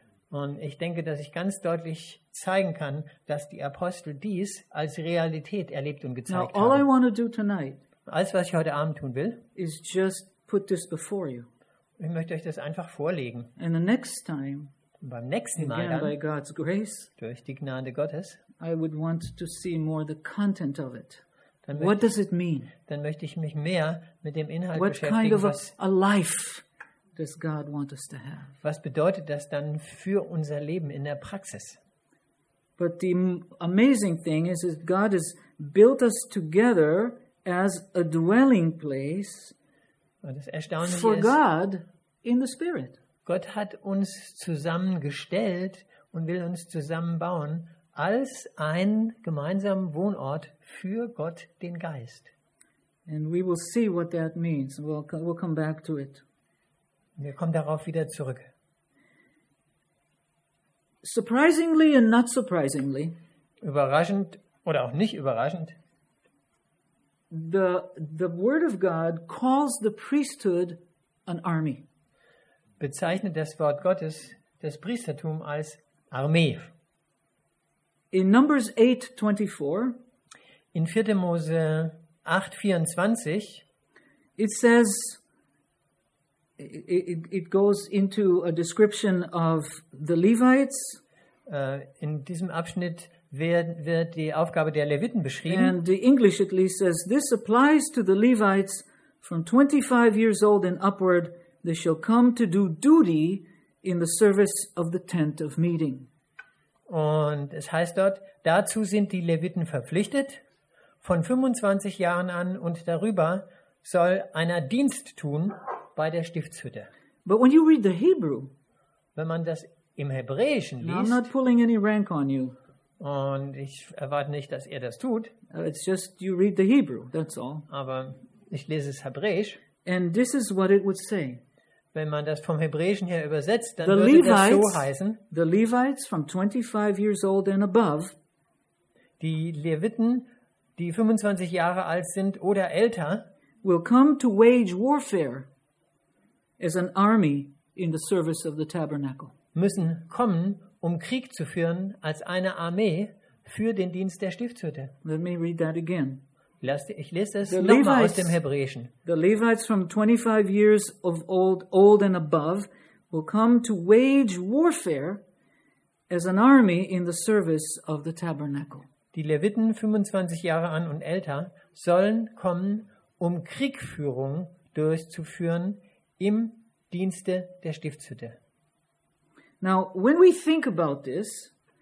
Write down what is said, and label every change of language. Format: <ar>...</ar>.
<de>Und ich denke, dass ich ganz deutlich zeigen kann, dass die Apostel dies als Realität erlebt und gezeigt haben.</de> <en>All I want to do tonight,</en> <de>alles, was ich heute Abend tun will,</de> <en>is just put this before you.</en> <de>Ich möchte euch das einfach vorlegen.</de> <en>And the next time,</en> <de>und beim nächsten Mal</de> <en>again,</en> <de>dann,</de> <en>by God's grace,</en> <de>durch die Gnade Gottes,</de> <en>I would want to see more the content of it. What does it mean?</en> <de>Dann möchte ich mich mehr mit dem Inhalt</de> <en>what</en> <de>beschäftigen.</de> <en>What kind of a life does God want us to have?</en> <de>Was bedeutet das dann für unser Leben in der Praxis?</de> <en>But the amazing thing is that God has built us together as a dwelling place.</en> <de>Und das Erstaunliche</de> <en>for</en> <de>ist,</de> <en>God in the Spirit.</en> <de>Gott hat uns zusammengestellt und will uns zusammenbauen als einen gemeinsamen Wohnort für Gott den Geist.</de> <en>And we will see what that means. We'll come back to it.</en> <de>Wir kommen darauf wieder zurück.</de> <en>Surprisingly and not surprisingly,</en> <de>überraschend oder auch nicht überraschend,</de> <en>the word of God calls the priesthood an army.</en> <de>Bezeichnet das Wort Gottes das Priestertum als Armee.</de> <en>In Numbers 8:24,</en> <de>in 4. Mose 8:24,</de> <en>it says, it goes into a description of the Levites.</en> <de>In diesem Abschnitt wird die Aufgabe der Leviten beschrieben.</de> <en>And the English at least says, this applies to the Levites from 25 years old and upward. They shall come to do duty in the service of the tent of meeting.</en> <de>Und es heißt dort, dazu sind die Leviten verpflichtet. Von 25 Jahren an und darüber soll einer Dienst tun bei der Stiftshütte.</de> <en>But when you read the Hebrew,</en> <de>wenn man das im Hebräischen liest,</de> <en>I'm not pulling any rank on you.</en> <de>Und ich erwarte nicht, dass er das tut.</de> <en>It's just you read the Hebrew, that's all.</en> <de>Aber ich lese es Hebräisch.</de> <en>And this is what it would say.</en> <de>Wenn man das vom Hebräischen her übersetzt, dann würde das so heißen:</de> <en>The Levites from 25 years old and above,</en> <de>die Leviten, die 25 Jahre alt sind oder älter,</de> <en>will come to wage warfare as an army in the service of the tabernacle.</en> <de>Müssen kommen, um Krieg zu führen als eine Armee für den Dienst der Stiftshütte.</de> <en>Let me read that again.</en> <de>Ich lese es nochmal aus dem Hebräischen.</de> <en>The Levites from 25 years of old and above will come to wage warfare as an army in the service of the tabernacle.</en> <de>Die Leviten 25 Jahre an und älter sollen kommen, um Kriegführung durchzuführen im Dienste der Stiftshütte.</de> <en>Now, when we think about this,</en>